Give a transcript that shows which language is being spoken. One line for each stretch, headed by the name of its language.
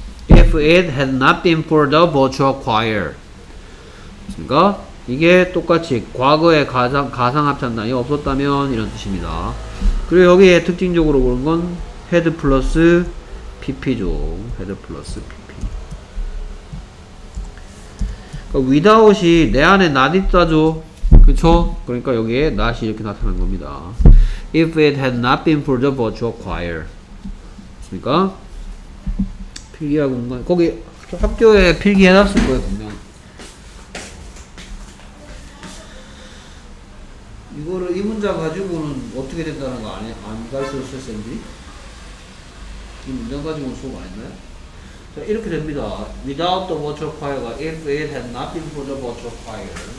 English: If it had not been for the virtual choir.
Korean: 그니까, 이게 똑같이 과거의 가상합창단이 없었다면 이런 뜻입니다. 그리고 여기에 특징적으로 보는 건 head plus pp죠. head plus pp. without이 내 안에 not 있다죠. 그쵸? 그러니까 여기에 not이 이렇게 나타난 겁니다.
English: If it had not been for the virtual choir.
Korean: 그니까? 필기하고 온거 거기 학교에 필기해놨을 거예요, 분명. 이거를, 이 문장 가지고는 어떻게 된다는 거 아니, 안 가르쳤어요, 샌디? 이 문장 가지고는 수업 안 했나요? 자, 이렇게 됩니다.
English: Without the virtual choir가 if it had not been for the virtual choir.